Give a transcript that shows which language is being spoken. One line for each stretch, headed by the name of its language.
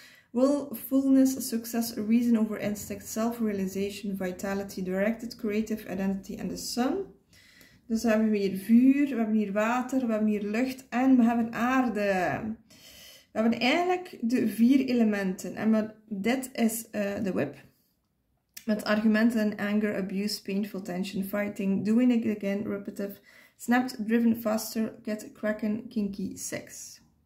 English: Will fullness, success, reason over instinct, self-realization, vitality, directed, creative identity and the sun.
Dutch: Dus we hebben hier vuur, we hebben hier water, we hebben hier lucht en we hebben aarde. We hebben eigenlijk de 4 elementen. En dit is de whip. Met argumenten,
English: anger, abuse, painful tension, fighting, doing it again, repetitive, snapped, driven, faster, get cracking, kinky, sex.